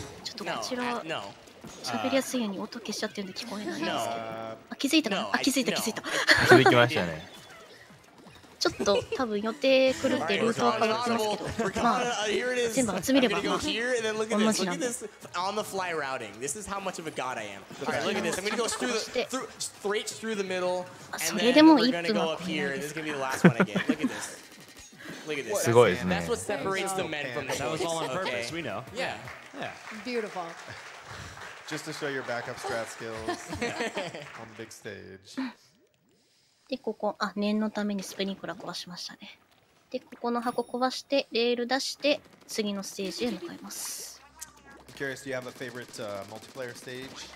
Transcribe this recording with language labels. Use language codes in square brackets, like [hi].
[ja] ちょっとこちら喋りやすいように音消しちゃってるんで聞こえないんですけど。あ気づいたかな。あ気づいた気づいた。気づきましたね。ちょっと多分予定来るってルートは変わってますけど、まあ全部集めれば、まあ、同じなんです。 [en] On the fly routing, this is how much of a god I am. Alright, look at this. I'm gonna go straight through the middle, and then we're gonna go up here, and this is gonna be the last one again. Look at this. Look at this. [ja] すごいですね。 [en] That's what separates the men from the boys. That was all on purpose. We know. Yeah. Yeah. Beautiful. Just to show your backup strat skills on the big stage. [ja] で、ここ、あ、念のためにスプリンクラー壊しましたね。で、ここの箱壊して、レール出して、次のステージへ向かいます。 [en] I'm curious, do you have a favorite, multiplayer stage?